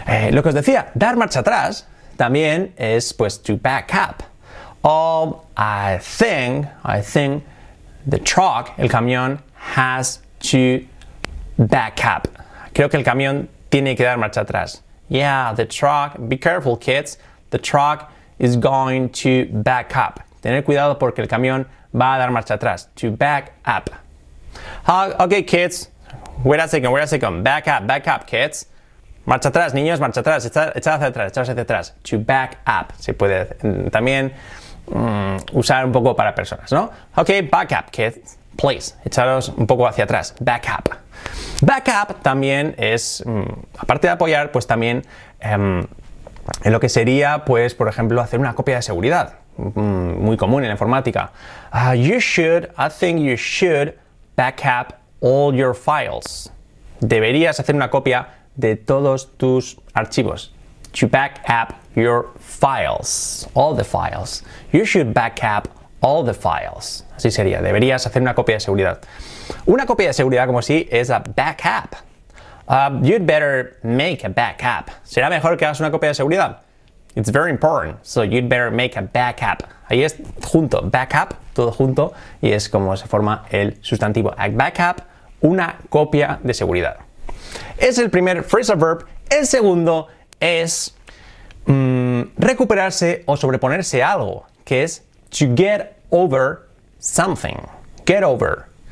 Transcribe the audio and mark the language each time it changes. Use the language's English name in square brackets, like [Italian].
[Spanish] Lo que os decía, dar marcha atrás también es, pues, [English] to back up. I think the truck, [Spanish] el camión, [English] has to back up. [Spanish] Creo que el camión tiene que dar marcha atrás. [English] Yeah, the truck, be careful kids, the truck is going to back up. [Spanish] Tener cuidado porque el camión va a dar marcha atrás. [English] To back up. Okay kids, wait a second, back up kids. [Spanish] Marcha atrás, niños, marcha atrás, echad hacia atrás. [English] To back up, [Spanish] se puede también usar un poco para personas, ¿no? [English] Okay, back up kids, please, [Spanish] echaros un poco hacia atrás, [English] back up. [Spanish] Backup también es, aparte de apoyar, pues también en lo que sería, pues, por ejemplo, hacer una copia de seguridad, muy común en la informática. [English] I think you should backup all your files. [Spanish] Deberías hacer una copia de todos tus archivos. [English] To backup your files, all the files. You should backup all the files. [Spanish] Así sería, deberías hacer una copia de seguridad. Una copia de seguridad, como si, es a backup. [English] You'd better make a backup. [Spanish] ¿Será mejor que hagas una copia de seguridad? [English] It's very important, so you'd better make a backup. [Spanish] Ahí es junto, backup, todo junto, y es como se forma el sustantivo. A backup, una copia de seguridad. Es el primer phrasal verb. El segundo es recuperarse o sobreponerse a algo, que es [English] to get over something. Get over.